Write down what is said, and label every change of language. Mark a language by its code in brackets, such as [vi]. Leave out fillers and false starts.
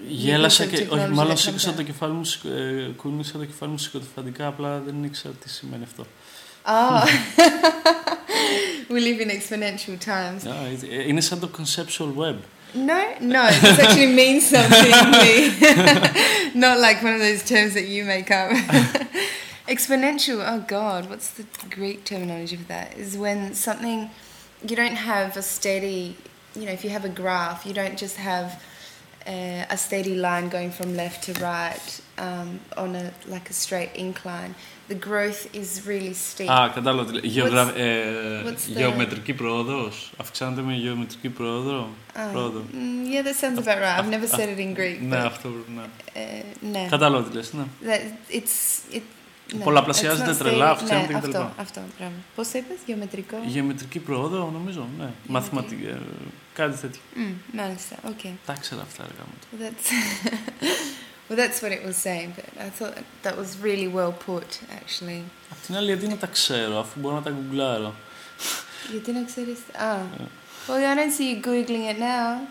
[el] Γέλασα και όχι, μάλλον σήκωσα το κεφάλι μου, κούνησα το κεφάλι μου σηκωτοφαντικά, απλά δεν ήξερα τι σημαίνει αυτό. [en] Oh. We live in exponential times. [el] Είναι σαν το conceptual web. [en] No, it actually means something. Not like one of those terms that you make up. Exponential, oh God, what's the Greek terminology for that? Is when something, you don't have a steady, you know, if you have a graph, you don't just have a steady line going from left to right on a like a straight incline. The growth is really steep. [el] Ah, κατάλαβα. Γεωμετρική πρόοδος. Αυξάνεται με γεωμετρική πρόοδο. [en] Yeah, that sounds about right. I've never said it in Greek. [el] Ναι, αυτό. Ναι. Κατάλαβα τι λες. Ναι. Πολλαπλασιάζεται τρελά, αυξάνεται κτλ. Αυτό, πράγμα. Πώς είπες, γεωμετρικό. Γεωμετρική πρόοδο, νομίζω. Ναι. Μαθηματική. Κάτι τέτοιο. Μάλιστα. Οκ. Τα ξέρω αυτά, αργά μου. [en] Well, that's what it was saying, but I thought that was really well put, actually. [el] Απ' την άλλη, γιατί να τα ξέρω, αφού μπορώ να τα γκουγκλάρω. Γιατί να ξέρεις. [en] Well, I don't see you googling it now.